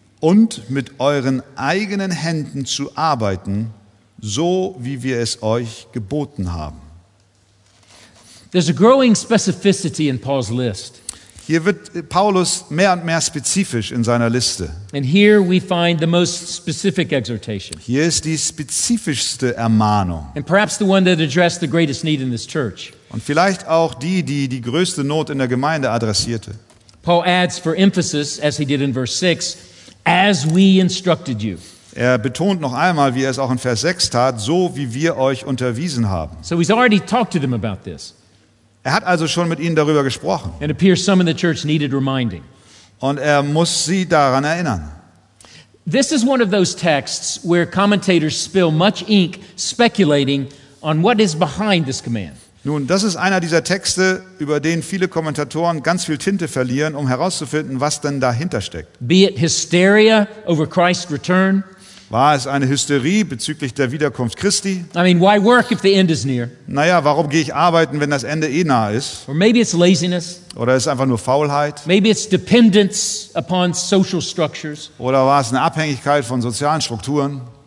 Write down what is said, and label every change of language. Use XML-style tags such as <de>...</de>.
<de>Und mit euren eigenen Händen zu arbeiten, so wie wir es euch geboten haben.</de> <en>There's a growing specificity in Paul's list.</en> <de>Hier wird Paulus mehr und mehr spezifisch in seiner Liste.</de> <en>And here we find the most specific exhortation.</en> <de>Hier ist die spezifischste Ermahnung.</de> <en>And perhaps the one that addressed the greatest need in this church.</en> <de>Und vielleicht auch die größte Not in der Gemeinde adressierte.</de> <en>Paul adds for emphasis, as he did in verse 6, as we instructed you.</en> <de>Er betont noch einmal, wie er es auch in Vers 6 tat, so wie wir euch unterwiesen haben.</de> <en>So he's already talked to them about this.</en> <de>Er hat also schon mit ihnen darüber gesprochen.</de> <en>And appears some in the church needed reminding.</en> <de>Und er muss sie daran erinnern.</de> <en>This is one of those texts where commentators spill much ink speculating on what is behind this command.</en> <de>Nun, das ist einer dieser Texte, über den viele Kommentatoren ganz viel Tinte verlieren, um herauszufinden, was denn dahinter steckt.</de> <en>Be it hysteria over Christ's return.</en> <de>War es eine Hysterie bezüglich der Wiederkunft Christi?</de> <en>I mean, why work if the end is near?</en> <de>Naja, warum gehe ich arbeiten, wenn das Ende eh nah ist?</de> <en>Or maybe it's laziness.</en> <de>Oder ist es einfach nur Faulheit?</de> <en>Maybe it's dependence upon social structures.</en> <de>Oder war es eine Abhängigkeit von sozialen Strukturen?</de>